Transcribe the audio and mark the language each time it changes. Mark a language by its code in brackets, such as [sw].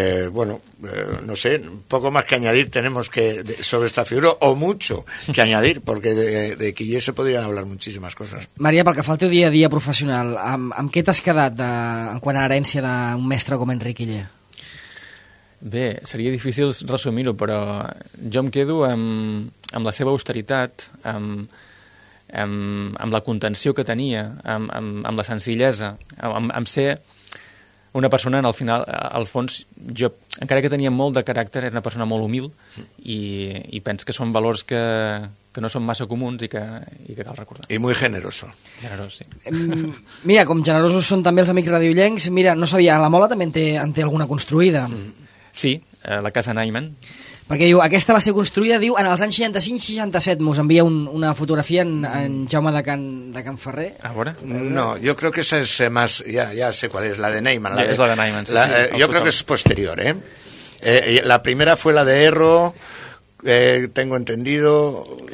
[es] No sé, poco más que añadir tenemos sobre esta figura, o mucho que añadir, porque de Quillet se podrían hablar muchísimas cosas. [ca] Maria, pel que fa al teu dia a dia professional, amb què t'has quedat en quant a herència d'un mestre com Henri Quillet? Bé, seria difícil resumir-ho, però jo em quedo amb la seva austeritat, amb la contenció que tenia, amb la senzillesa, amb ser una persona, en el final, al fons, jo, encara que tenia molt de caràcter, era una persona molt humil, i penso que són valors que no són massa comuns i que cal recordar. [es] I muy generoso. Generoso, sí. [ca] Mira, com generosos són també els amics radiollencs, mira, no sabia, la Mola també en té alguna construïda. Sí, la casa Naiman. Perquè diu, aquesta va ser construïda, diu, en els anys 65-67, mos envia una fotografia en Jaume de Can Ferrer. A veure. No, jo crec que esa és més, ja sé qual és, la de Naiman. És la de Naiman, sí. Jo crec que és posterior, eh? [es] La primera fue la de Erro, tengo entendido...